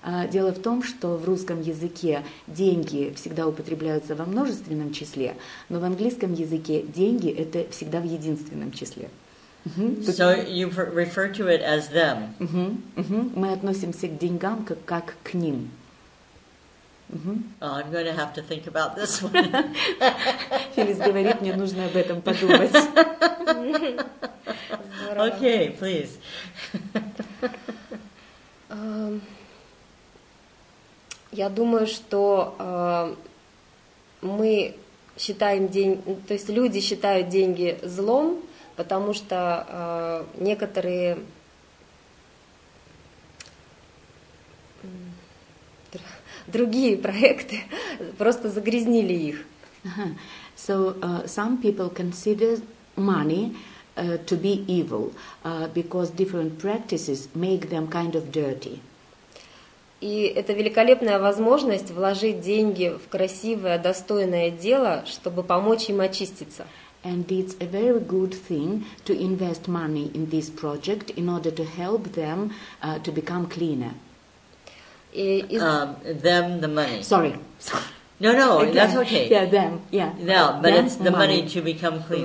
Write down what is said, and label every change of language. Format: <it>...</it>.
<ru>Дело в том, что в русском языке деньги всегда употребляются во множественном числе, но в английском языке деньги – это всегда в единственном числе.</ru> <en>So you refer to it as them.</en> <ru>Мы относимся к деньгам как к ним.</ru> <en>Oh, I'm going to have to think about this one.</en> <ru>Филис говорит, мне нужно об этом подумать.</ru> <en>Okay, please.</en> <ru>Я думаю, что мы считаем деньги, то есть люди считают деньги злом, потому что некоторые... другие проекты просто загрязнили их.</ru> <en>So some people consider money to be evil because different practices make them kind of dirty.</en> <ru>И это великолепная возможность вложить деньги в красивое, достойное дело, чтобы помочь им очиститься.</ru> <en>And it's a very good thing to invest money in this project in order to help them to become cleaner. Them the money. Sorry. No, no, again. That's okay. Yeah, them. Yeah. No, but them, it's the money to become clean.</en>